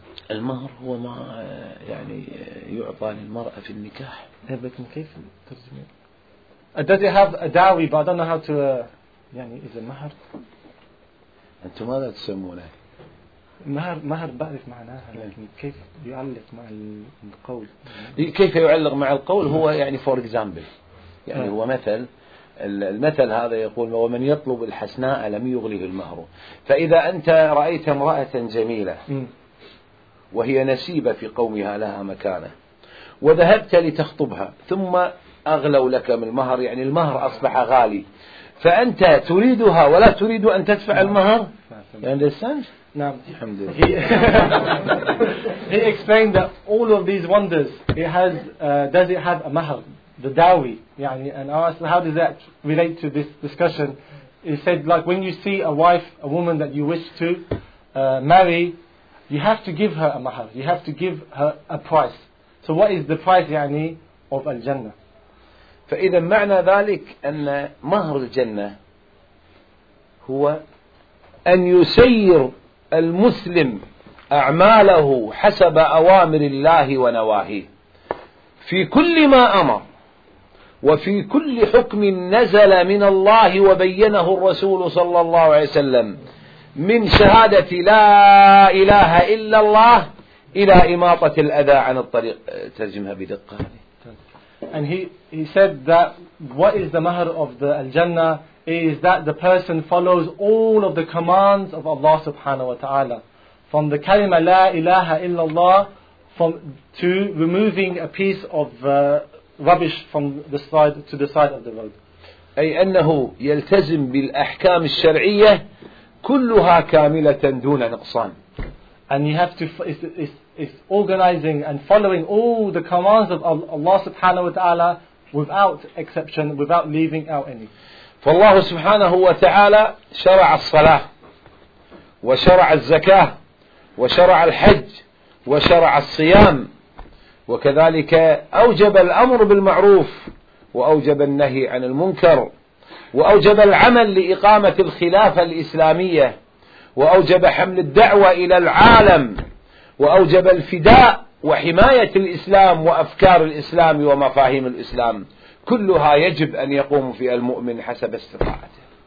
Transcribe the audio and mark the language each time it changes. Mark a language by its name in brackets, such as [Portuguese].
[Arabic] المهر هو ما يعني يعطى للمرأة في النكاح. لكن كيف ترجمه؟ [English] Does it have a dowry? But I don't know how to. [Arabic] يعني [English] is it [Arabic] مهر؟ أنتم ماذا تسمونه؟ مهر مهر بعرف معناها لكن كيف يعلق مع القول؟ كيف يعلق مع القول هو يعني [English] for example [Arabic] يعني هو مثل. المثل هذا يقول ومن يطلب الحسناء لم يغله المهر. فإذا أنت رأيت امرأة جميلة وهي نسيبة في قومها لها مكانة وذهبت لتخطبها ثم أغلوا لك من المهر يعني المهر أصبح غالي فأنت تريدها ولا تريد أن تدفع المهر. [English] You understand? [Arabic] نعم. الحمد لله. [English] He explained that all of these wonders it has does it have a mahr, the dowry. [Arabic] يعني [English] and I asked how does that relate to this discussion. He said like when you see a wife, a woman that you wish to marry, you have to give her a mahr. You have to give her a price. So what is the price [Arabic] يعني [English] of al jannah? [Arabic] فإذا معنى ذلك أن مهر الجنة هو أن يسير المسلم أعماله حسب أوامر الله ونواهيه في كل ما أمر وفي كل حكم نزل من الله وبينه الرسول صلى الله عليه وسلم من شهادة لا إله إلا الله إلى إماطة الأذى عن الطريق. ترجمها بدقة. [English] And he said that what is the mahr of the al-jannah is that the person follows all of the commands of Allah subhanahu wa ta'ala. From the kalima la ilaha illallah to removing a piece of rubbish from the side to the side of the road. [Arabic] أي أنه يلتزم بالأحكام الشرعية كلها كاملة دون نقصان. [English] And you have to it's organizing and following all the commands of Allah subhanahu wa ta'ala without exception, without leaving out any. [Arabic] فالله سبحانه وتعالى شرع الصلاة وشرع الزكاة وشرع الحج وشرع الصيام وكذلك أوجب الأمر بالمعروف وأوجب النهي عن المنكر وأوجب العمل لإقامة الخلافة الإسلامية وأوجب حمل الدعوة إلى العالم وأوجب الفداء وحماية الإسلام وأفكار الإسلام ومفاهيم الإسلام كلها يجب أن يقوم في المؤمن حسب استطاعته.